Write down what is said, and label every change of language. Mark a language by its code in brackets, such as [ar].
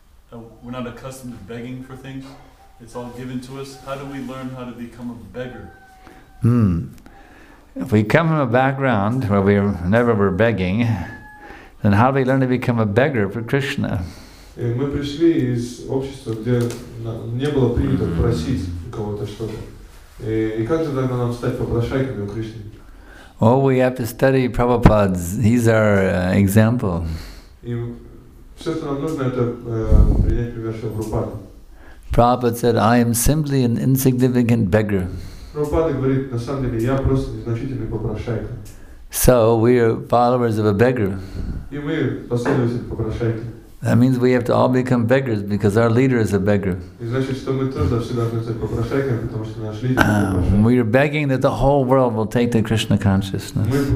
[en] We're not accustomed to begging for things. It's all given to us. How do we learn how to become a beggar? If we come from a background where we never were begging, then how do we learn to become a beggar for Krishna? [ru] Мы пришли из общества, где не было принято просить у кого-то что-то. И как же тогда нам стать попрошайками у Кришны? [en] Oh, we have to study Prabhupada's. He's our example. [ru] И все, что нам нужно, это принять пример Прабхупады. [en] Prabhupada said, I am simply an insignificant beggar. [ru] Прабхупада говорит, на самом деле, я просто незначительный попрошайка. [en] So, we are followers of a beggar. [ru] И мы последователи попрошайки. [en] That means we have to all become beggars because our leader is a beggar. We are begging that the whole world will take to Krishna consciousness.